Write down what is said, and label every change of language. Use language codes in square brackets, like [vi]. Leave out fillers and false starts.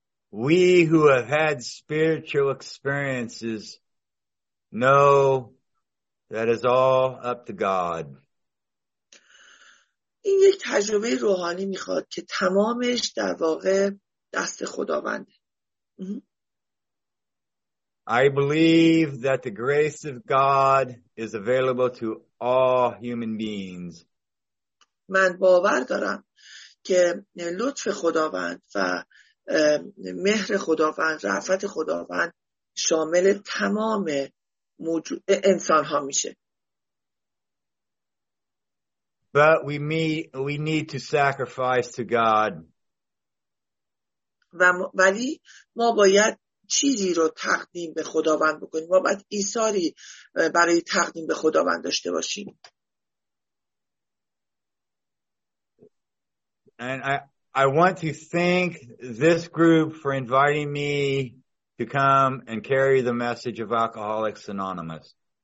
[en] We who have had spiritual experiences know that is all up to God. [fa] این یک تجربه روحانی میخواد که تمامش در واقع دست خداونده. [en] I believe that the grace of God is available to all human beings. [fa] من باور دارم که لطف خداوند و مهر خداوند، رحمت خداوند شامل تمام موجود انسان ها میشه. [en] But we need to sacrifice to God. [fa] ولی ما باید چیزی رو تقدیم به خداوند بکنیم. ما باید ایثاری برای تقدیم به خداوند داشته باشیم. [en] And I want to thank this group for inviting me to come and carry the message of Alcoholics Anonymous.